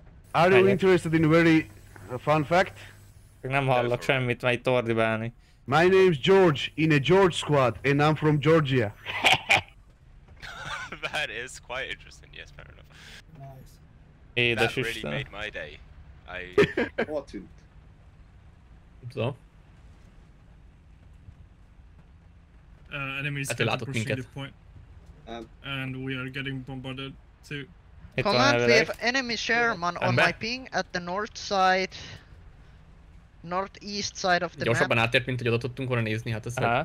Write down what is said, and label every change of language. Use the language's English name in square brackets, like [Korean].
[English] Are you interested in a very fun fact? [Hungarian] Nem hallok semmit, mert itt ordibálni. [English] My name's George, in a George squad, and I'm from Georgia. That is quite interesting, yes, fair enough. Nice. That really made my day. I... What in? Enemies have to pursue the point. And we are getting bombarded too. Command, we have enemy Sherman on my ping at the north side. Northeast side of the map. [Hungarian] Gyorsabban átért, mint hogy oda tudtunk volna nézni, hát ezt.